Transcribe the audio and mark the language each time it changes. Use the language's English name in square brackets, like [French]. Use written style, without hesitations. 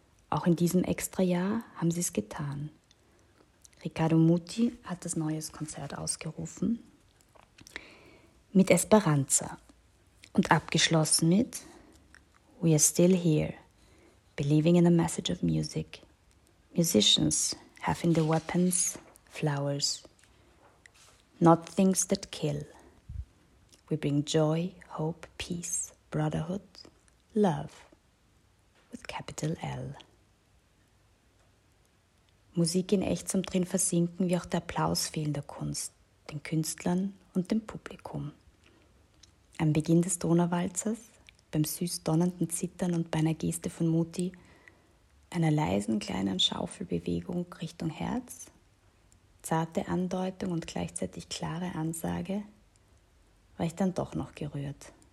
[German] Auch in diesem Extrajahr haben sie es getan. Riccardo Muti hat das neue Konzert ausgerufen mit Esperanza und abgeschlossen mit [English] We are still here, believing in the message of music. Musicians have in the weapons flowers, not things that kill. We bring joy, hope, peace, brotherhood, love with capital L. [German] Musik in echt zum drin versinken, wie auch der Applaus fehlender Kunst, den Künstlern und dem Publikum. Am Beginn des Donauwalzers, beim süß donnernden Zittern und bei einer Geste von Muti, einer leisen kleinen Schaufelbewegung Richtung Herz, zarte Andeutung und gleichzeitig klare Ansage, war ich dann doch noch gerührt.